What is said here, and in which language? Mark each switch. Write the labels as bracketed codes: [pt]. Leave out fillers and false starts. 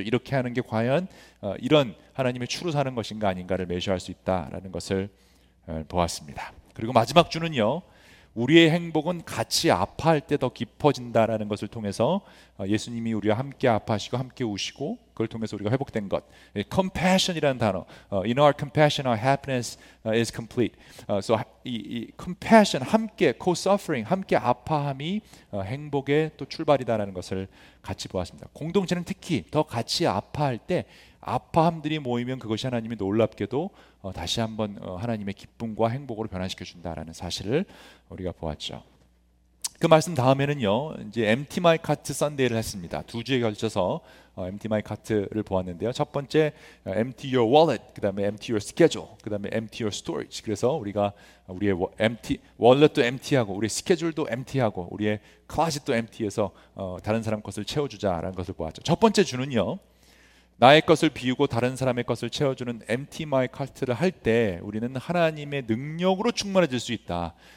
[ko] 이렇게 하는 게 과연 이런 하나님의 추로 사는 것인가 아닌가를 매시할 수 있다라는 것을 보았습니다. 그리고 마지막 주는요, 우리의 행복은 같이 아파할 때 더 깊어진다라는 것을 통해서 예수님이 우리와 함께 아파하시고 함께 우시고 그걸 통해서 우리가 회복된 것. Compassion이라는 단어. [en] In our compassion, our happiness is complete. So, [ko] compassion, 함께, co-suffering, 함께 아파함이 행복의 또 출발이다라는 것을 같이 보았습니다. 공동체는 특히 더 같이 아파할 때 아파함들이 모이면 그것이 하나님이 놀랍게도 다시 한번 하나님의 기쁨과 행복으로 변화시켜준다라는 사실을 우리가 보았죠. 그 말씀 다음에는요, 이제 Empty My Cart Sunday를 했습니다. 두 주에 걸쳐서 Empty My Cart를 보았는데요. 첫 번째, [en] Empty Your Wallet, [ko] 그 다음에 [en] Empty Your Schedule, 그 다음에 Empty Your Storage. [ko] 그래서 우리가 우리의 Empty, Wallet도 Empty하고, 우리의 Schedule도 Empty하고, 우리의 Closet도 Empty해서 다른 사람 것을 채워주자라는 것을 보았죠. 첫 번째 주는요, 나의 것을 비우고 다른 사람의 것을 채워주는 Empty My Cart를 할 때 우리는 하나님의 능력으로 충만해질 수 있다.